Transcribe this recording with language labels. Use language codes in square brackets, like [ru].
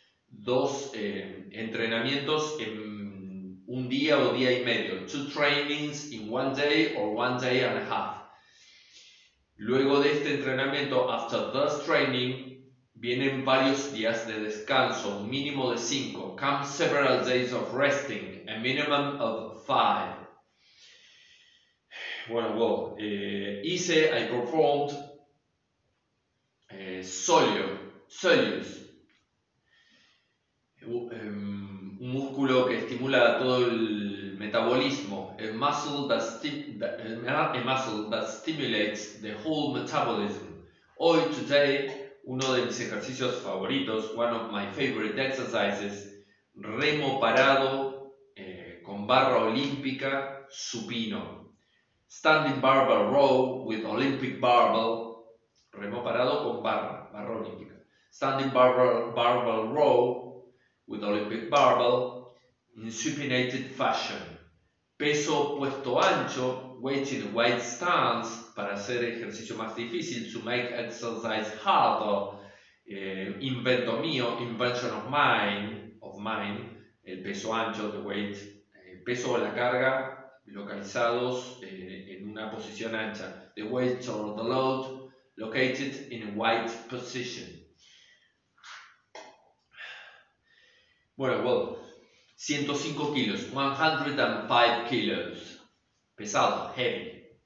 [es] Dos entrenamientos en un día o día y medio. [en] 2 trainings in 1 day or 1 day and a half. [es] Luego de este entrenamiento, [en] after this training, [es] vienen varios días de descanso, un mínimo de 5. [en] Come several days of resting. A minimum of 5. [es] Bueno, [en] I performed soleus, [es] un músculo que estimula todo el metabolismo, [en] a muscle that stimulates the whole metabolism. [es] Hoy, [en] today, [es] uno de mis ejercicios favoritos, [en] one of my favorite exercises, [es] remo parado. Con barra olímpica supino. [en] Standing barbell row with Olympic barbell. [es] Remo parado con barra olímpica. [en] Standing barbell row with Olympic barbell in supinated fashion. [es] Peso puesto ancho, [en] weighted weight stance, [es] para hacer ejercicio más difícil, [en] to make exercise harder. [es] Invento mío, [en] invention of mine, [es] el peso ancho, [en] the weight. [es] Peso o la carga localizados en una posición ancha. [en] The weight or the load located in a wide position. [es] Bueno, 105 kilos. 105 kilos. Pesado, [en] heavy.